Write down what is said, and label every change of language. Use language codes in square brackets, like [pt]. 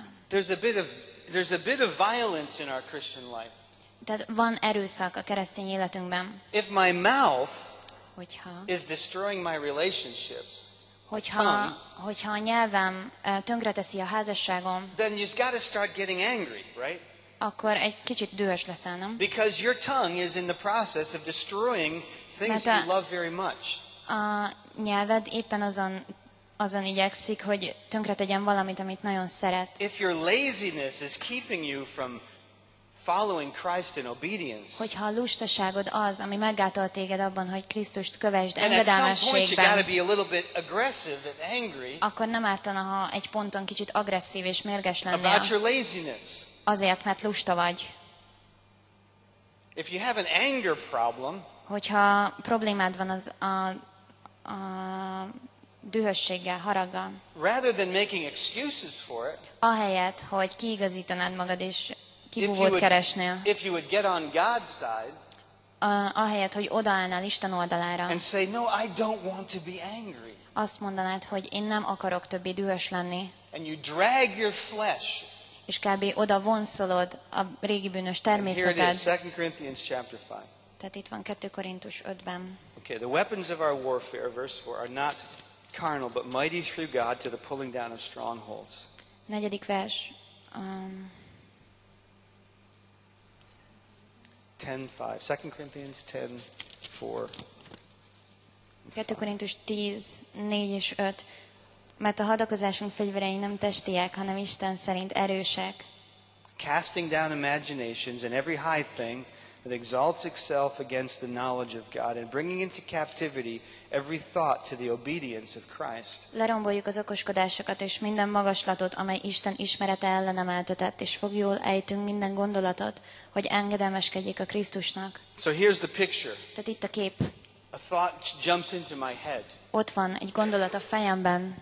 [en] There's a bit of violence in our Christian life. [hu] Tehát van erőszak a keresztény életünkben. [en] If my mouth [hu] hogyha, [en] is destroying my relationships, [hu] hogyha a nyelvem tönkreteszi a házasságom, [en] then you've got to start getting angry, right? [hu] Akkor egy kicsit dühös leszel, nem? [en] Because your tongue is in the process of destroying things you love very much. [hu] A nyelved éppen azon igyekszik, hogy tönkretegyen valamit, amit nagyon szeret. [en] If your laziness is keeping you from following Christ in obedience. [hu] Hogyha a lustaságod az, ami meggátolt téged abban, hogy Krisztust kövesd engedelmességben. [en] And at some point you got to be a little bit aggressive and angry. [hu] Akkor nem ártana, ha egy ponton kicsit agresszív és mérges lennél. [en] About your laziness. [hu] Azért, mert lusta vagy. [en] If you have an anger problem, [hu] hogyha problémád van az a dühösséggel, haraggal. [en] Rather than making excuses for it. [hu] Ahelyett, hogy kiigazítanád magad és kibúvót keresnél. [en] If you would get on God's side. [hu] Ahelyett, hogy odaállnál Isten oldalára. [en] And say, no, I don't want to be angry. [hu] Azt mondanád, hogy én nem akarok többé dühös lenni. [en] And you drag your flesh. [hu] És kb. Oda vonszolod a régi bűnös természeted. [en] Here it is, 2 Corinthians chapter 5. [hu] Tehát itt van 2 Korintus 5-ben. [en] Okay, the weapons of our warfare, verse 4, are not carnal, but mighty through God to the pulling down of strongholds. [hu] Negyedik vers. [en] 10:5. 2 Corinthians 10:4. [hu] 2 Korintus 10, 4 és 5. Mert a hadakozásunk fegyverei nem testiek, hanem Isten szerint erősek. [en] Casting down imaginations and every high thing that exalts itself against the knowledge of God and bringing into captivity every thought to the obedience of Christ. [hu] Leromboljuk az okoskodásokat és minden magaslatot, amely Isten ismerete ellen emeltetett, és foglyul ejtünk minden gondolatot, hogy engedelmeskedjék a Krisztusnak. [en] So here's the picture. [hu] Tehát itt a kép. [en] A thought jumps into my head. [hu] Ott van egy gondolat a fejemben.